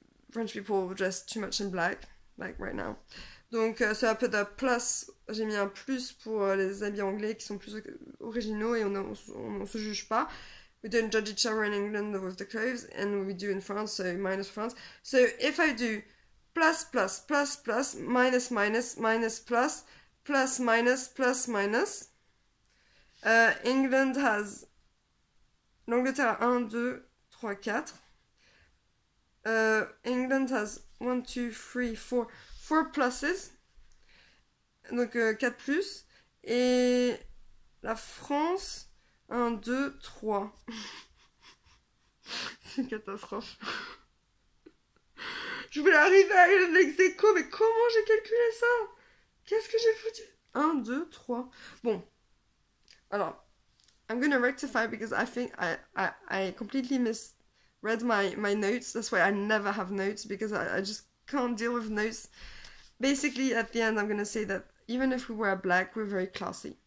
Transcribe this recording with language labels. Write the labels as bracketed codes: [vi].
[en] French people dress too much in black, like right now. [fr] Donc, ça a peut être plus. J'ai mis un plus pour les habits anglais qui sont plus originaux et on se juge pas. [en] We don't judge each other in England with the clothes, and we do in France, so minus France. So if I do plus, plus, plus, plus, minus, minus, minus, plus, plus, minus, plus, minus, England has. [fr] L'Angleterre a 1, 2, 3, 4. [en] England has 1, 2, 3, 4. 4 pluses. [fr] Donc 4 plus. Et la France. 1, 2, 3. C'est une catastrophe. Je voulais arriver à une ex-aequo, mais comment j'ai calculé ça? Qu'est-ce que j'ai foutu? 1, 2, 3. Bon. Alors. [en] I'm going to rectify because I completely misread my notes. That's why I never have notes because I just can't deal with notes. Basically, at the end, I'm going to say that even if we wear black, we're very classy.